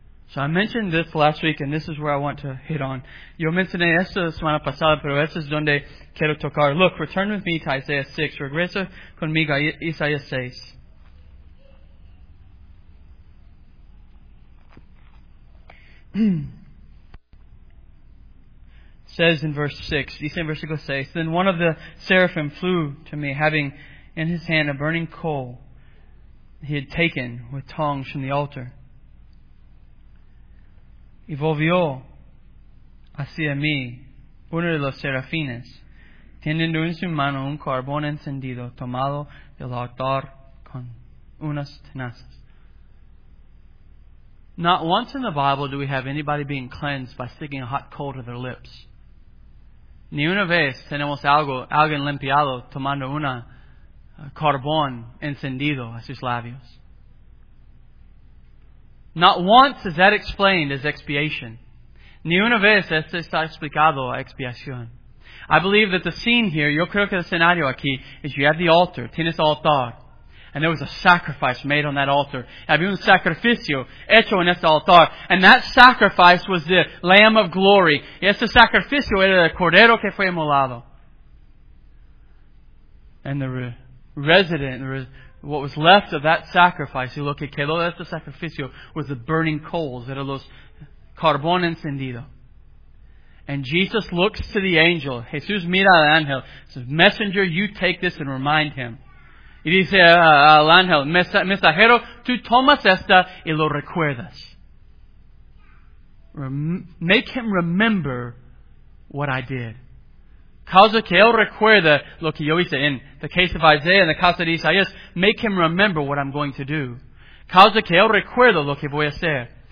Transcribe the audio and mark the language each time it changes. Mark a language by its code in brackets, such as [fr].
[en] So I mentioned this last week, and this is where I want to hit on. [es] Yo mencioné esto la semana pasada, pero esto es donde quiero tocar. [en] Look, return with me to Isaiah 6. [es] Regresa conmigo a Isaiah 6. [en] Says in verse 6, [es] dice en versículo 6, [en] then one of the seraphim flew to me, having in his hand a burning coal he had taken with tongs from the altar. [es] Y volvió hacia mí uno de los serafines, teniendo en su mano un carbón encendido, tomado del altar con unas tenazas. [en] Not once in the Bible do we have anybody being cleansed by sticking a hot coal to their lips. [es] Ni una vez tenemos alguien limpiado tomando una carbón encendido a sus labios. [en] Not once is that explained as expiation. [es] Ni una vez esto está explicado a expiación. [en] I believe that the scene here, [es] yo creo que el escenario aquí, [en] is you have the altar, [es] tienes altar, [en] and there was a sacrifice made on that altar. [es] Había un sacrificio hecho en ese altar, [en] and that sacrifice was the Lamb of Glory. [es] Y ese sacrificio era el cordero que fue inmolado. [en] And the what was left of that sacrifice, [es] y lo que quedó de ese sacrificio, [en] was the burning coals, [es] era los carbón encendido. [en] And Jesus looks to the angel. [es] Jesús mira al ángel. [en] Says, messenger, you take this and remind him. [es] Y dice al ángel, mensajero, tú tomas esta y lo recuerdas. [en] Make him remember what I did. [es] Causa que él recuerde lo que yo hice. [en] In the case of Isaiah, in the case of Isaías, make him remember what I'm going to do. [es] Causa que él recuerde lo que voy a hacer.